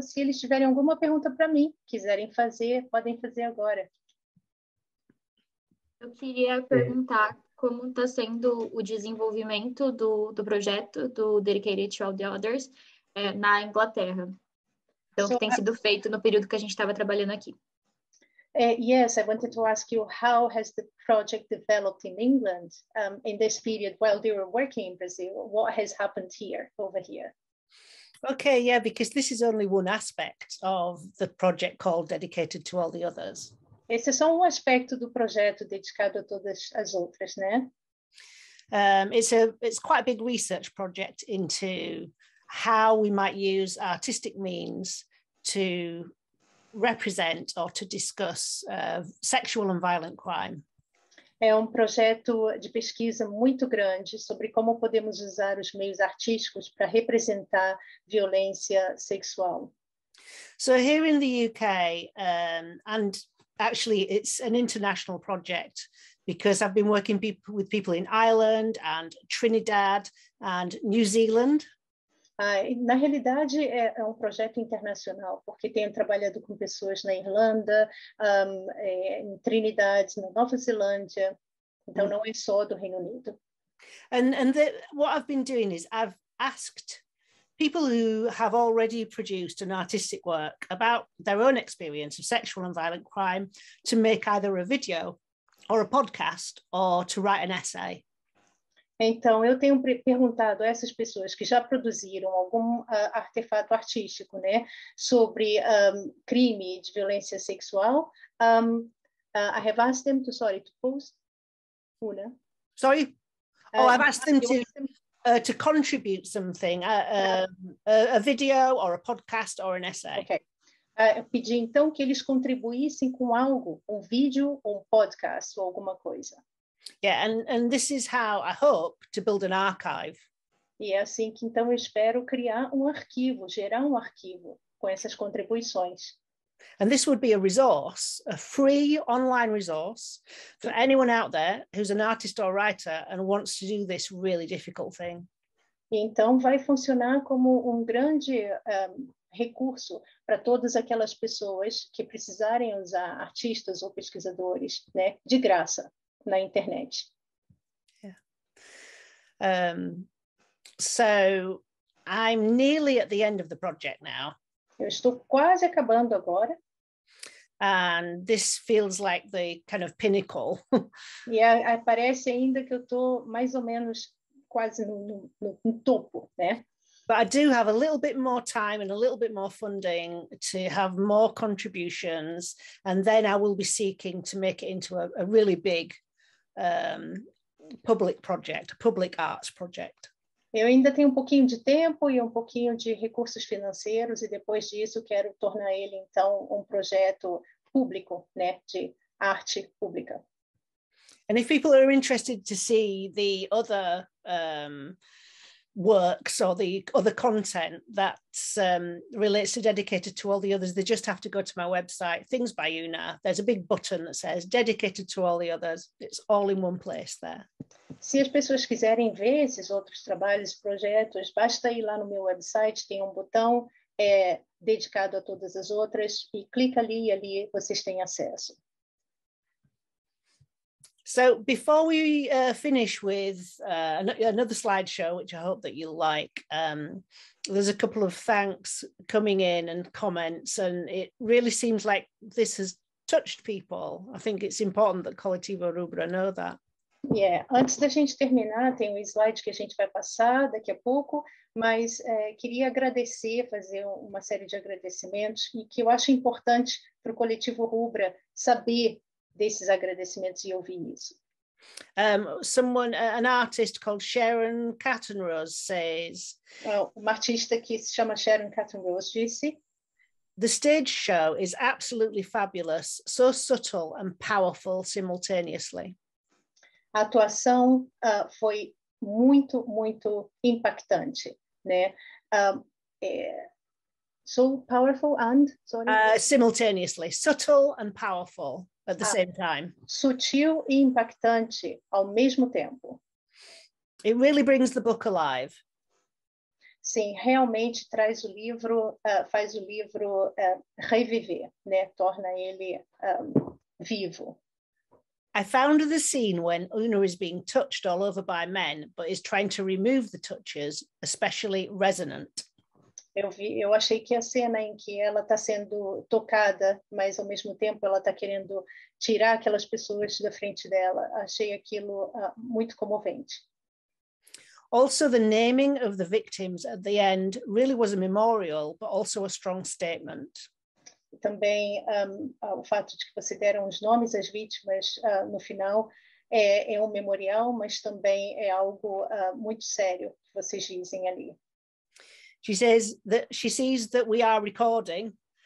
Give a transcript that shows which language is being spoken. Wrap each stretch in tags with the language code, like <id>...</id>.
<pt>Se eles tiverem alguma pergunta para mim, quiserem fazer, podem fazer agora. Eu queria perguntar como está sendo o desenvolvimento do projeto do Dedicated to All the Others na Inglaterra. Então, que tem sido feito no período que a gente estava trabalhando aqui.</pt> <en>Yes, I wanted to ask you, how has the project developed in England in this period while they were working in Brazil? What has happened here, over here? Okay, yeah, because this is only one aspect of the project called Dedicated to All the Others.</en> <pt>Esse é só um aspecto do projeto dedicado a todas as outras, né?</pt> <en>It's quite a big research project into how we might use artistic means to represent or to discuss sexual and violent crime.</en> <pt>É um projeto de pesquisa muito grande sobre como podemos usar os meios artísticos para representar violência sexual.</pt> <en>So here in the UK, and actually it's an international project because I've been working with people in Ireland and Trinidad and New Zealand.</en> <pt>Na realidade, é um projeto internacional, porque tenho trabalhado com pessoas na Irlanda, em Trinidad, na Nova Zelândia, então não é só do Reino Unido.</pt> <en>And what I've been doing is I've asked people who have already produced an artistic work about their own experience of sexual and violent crime to make either a video or a podcast or to write an essay.</en> <pt>Então, eu tenho perguntado a essas pessoas que já produziram algum artefato artístico, né, sobre crime de violência sexual.</pt> <en>I have asked them to, sorry, to post Una. Sorry? Oh, I've asked them to contribute something, a video or a podcast or an essay. Okay.</en> <pt>Eu pedi, então, que eles contribuíssem com algo, um vídeo, um podcast ou alguma coisa.</pt> <en>Yeah, and this is how I hope to build an archive.</en> <pt>E é assim que então eu espero criar um arquivo, gerar um arquivo com essas contribuições.</pt> <en>And this would be a resource, a free online resource for anyone out there who's an artist or writer and wants to do this really difficult thing.</en> <pt>E então vai funcionar como um grande recurso para todas aquelas pessoas que precisarem usar artistas ou pesquisadores, né, de graça. Na internet.</pt> <en>Yeah. So I'm nearly at the end of the project now.</en> <pt>Eu estou quase acabando agora.</pt> <en>And this feels like the kind of pinnacle.</en> <pt>Yeah, parece ainda que eu tô mais ou menos quase no topo, né?</pt> <en>But I do have a little bit more time and a little bit more funding to have more contributions, and then I will be seeking to make it into a really big public project, public arts project.</en> <pt>Eu ainda tenho um pouquinho de tempo e um pouquinho de recursos financeiros e depois disso quero tornar ele então projeto público, né, de arte pública.</pt> <en>And if people are interested to see the other works or the other content that relates to Dedicated to All the Others, they just have to go to my website, Things by Una. There's a big button that says Dedicated to All the Others. It's all in one place there.</en> <pt>Se as pessoas quiserem ver esses outros trabalhos, projetos, basta ir lá no meu website, tem botão dedicado a todas as outras, e clica ali e ali vocês têm acesso.</pt> <en>So before we finish with another slideshow, which I hope that you'll like, there's a couple of thanks coming in and comments, and it really seems like this has touched people. I think it's important that Coletivo Rubra know that.</en> <pt>Yeah, antes da gente terminar, tem slide que a gente vai passar daqui a pouco, mas queria agradecer, fazer uma série de agradecimentos, e que eu acho importante para o Coletivo Rubra saber desses agradecimentos e ouvir isso.</pt> <en>Someone, an artist called Sharon Cattenrose says...</en> <pt>Uma artista que se chama Sharon Cattenrose disse...</pt> <en>The stage show is absolutely fabulous, so subtle and powerful simultaneously.</en> <pt>A atuação foi muito, muito impactante, né?</pt> <en>So powerful and... Simultaneously, subtle and powerful. At the same time.</en> <pt>Sutil e impactante ao mesmo tempo.</pt> <en>It really brings the book alive.</en> <pt>Sim, realmente traz o livro, faz o livro reviver, né? Torna ele vivo.</pt> <en>I found the scene when Una is being touched all over by men, but is trying to remove the touches, especially resonant.</en> <pt>Eu achei que a cena em que ela está sendo tocada, mas ao mesmo tempo ela está querendo tirar aquelas pessoas da frente dela. Achei aquilo muito comovente.</pt> <en>Also, the naming of the victims at the end really was a memorial, but also a strong statement.</en> <pt>Também o fato de que você deram os nomes às vítimas no final é memorial, mas também é algo muito sério que vocês dizem ali.</pt> <en>She says that she sees that we are recording.</en>